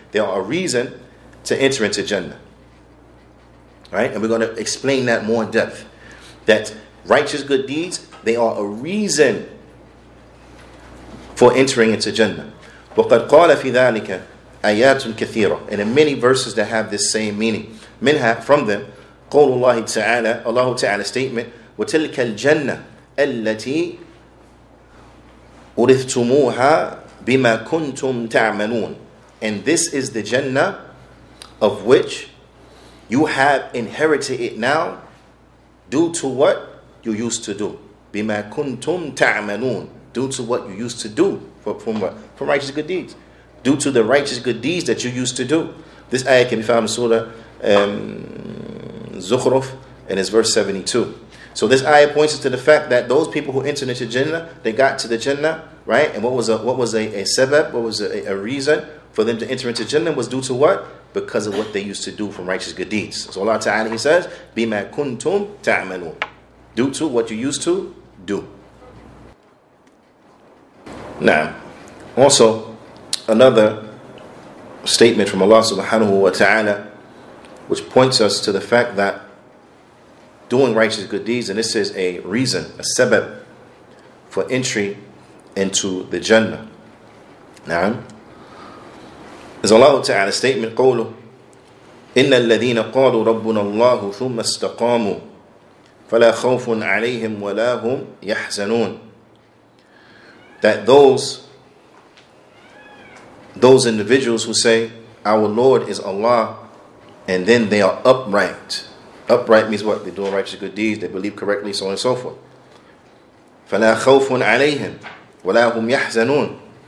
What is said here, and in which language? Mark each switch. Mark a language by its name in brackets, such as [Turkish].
[English] They are a reason to enter into Jannah. Right? And we're going to explain that more in depth. That righteous good deeds, they are a reason for entering into Jannah. [Arabic] وَقَدْ قَالَ فِي ذَٰلِكَ آيَاتٌ كَثِيرَةٌ. [English] And in many verses that have this same meaning. [Arabic] منها, [English] from them, [Arabic] قَوْلُ اللَّهِ تَعَالَى, [English] Allah Ta'ala statement, [Arabic] وَتِلْكَ الْجَنَّةِ الَّتِي أُرِثْتُمُوهَا بِمَا كُنْتُمْ تَعْمَلُونَ. [English] And this is the Jannah of which you have inherited it now due to what you used to do. [Arabic] بِمَا كُنْتُمْ تَعْمَلُونَ. [English] Due to what you used to do from righteous good deeds. Due to the righteous good deeds that you used to do. This ayah can be found in Surah Zukhruf, and it's verse 72. So this ayah points us to the fact that those people who entered into Jannah, they got to the Jannah, right? And what was a reason for them to enter into Jannah was due to what? Because of what they used to do from righteous good deeds. So Allah Ta'ala, He says, [Arabic] بِمَا كُنْتُمْ تَعْمَلُونَ. [English] Due to what you used to do. Now, also, another statement from Allah subhanahu wa ta'ala, which points us to the fact that doing righteous good deeds, and this is a reason, a sabab, for entry into the Jannah. Now, is Allah ta'ala statement, [Arabic] قَوْلُ إِنَّ الَّذِينَ قَالُوا رَبُّنَ اللَّهُ ثُمَّ اسْتَقَامُوا فَلَا خَوْفٌ عَلَيْهِمْ وَلَا هُمْ يَحْزَنُونَ. [English] That those individuals who say, our Lord is Allah, and then they are upright. Upright means what? They're doing righteous good deeds, they believe correctly, so on and so forth. [Arabic] فَلَا خَوْفٌ عَلَيْهِمْ وَلَا هُمْ يَحْزَنُونَ.